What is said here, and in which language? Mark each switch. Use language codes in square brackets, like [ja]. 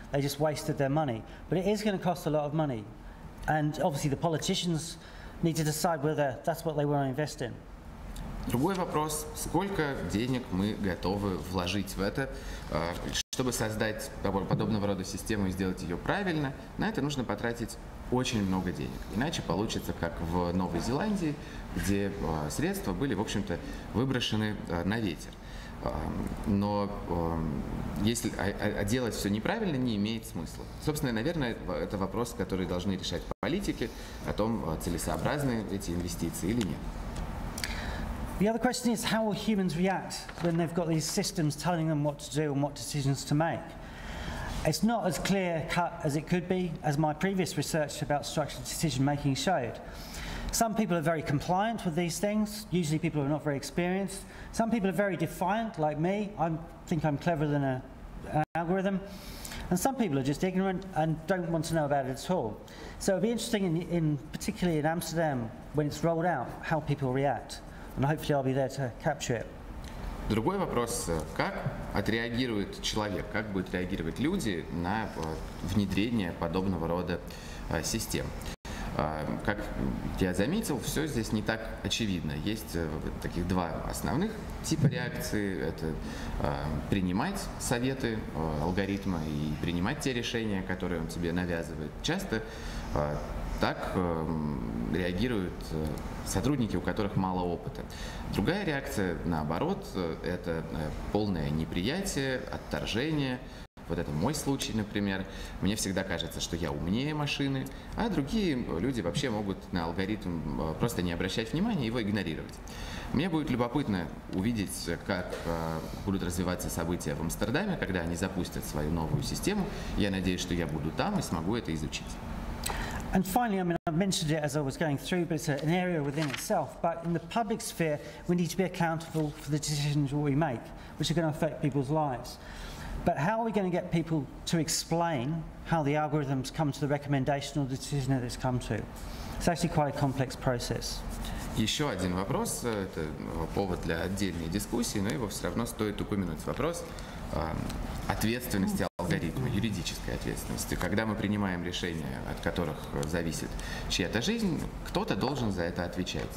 [en] They just wasted their money. But it is going to cost a lot of money, and obviously the politicians need to decide whether that's what they want to invest in. [ru] Другой вопрос. Сколько денег мы готовы вложить в это, чтобы создать подобного рода систему и сделать ее правильно? На это нужно потратить очень много денег. Иначе получится, как в Новой Зеландии, где средства были, в общем-то, выброшены на ветер. Но если делать все неправильно, не имеет смысла. Собственно, наверное, это вопрос, который должны решать политики, о том, целесообразны эти инвестиции или нет. [en] The other question is, how will humans react when they've got these systems telling them what to do and what decisions to make? It's not as clear cut as it could be, as my previous research about structured decision making showed. Some people are very compliant with these things, usually people who are not very experienced. Some people are very defiant, like me. I think I'm cleverer than an algorithm. And some people are just ignorant and don't want to know about it at all. So it'll be interesting, particularly in Amsterdam, when it's rolled out, how people react. And hopefully I'll be there to capture it. [ru] Другой вопрос, как отреагирует человек, как будут реагировать люди на внедрение подобного рода систем. Как я заметил, все здесь не так очевидно. Есть таких два основных типа реакции. Это принимать советы алгоритма и принимать те решения, которые он тебе навязывает. Часто так реагируют сотрудники, у которых мало опыта. Другая реакция, наоборот, это полное неприятие, отторжение. Вот это мой случай, например. Мне всегда кажется, что я умнее машины, а другие люди вообще могут на алгоритм просто не обращать внимания, его игнорировать. Мне будет любопытно увидеть, как будут развиваться события в Амстердаме, когда они запустят свою новую систему. Я надеюсь, что я буду там и смогу это изучить. [en] And finally, I mean, I mentioned it as I was going through, but it's an area within itself. But in the public sphere, we need to be accountable for the decisions we make, which are going to affect people's lives. But how are we going to get people to explain how the algorithms come to the recommendation or the decision that it's come to? It's actually quite a complex process. [ru] Еще один вопрос, это повод для отдельной дискуссии, но его все равно стоит упомянуть. Вопрос ответственности алгоритма, юридической ответственности. Когда мы принимаем решения, от которых зависит чья-то жизнь, кто-то должен за это отвечать.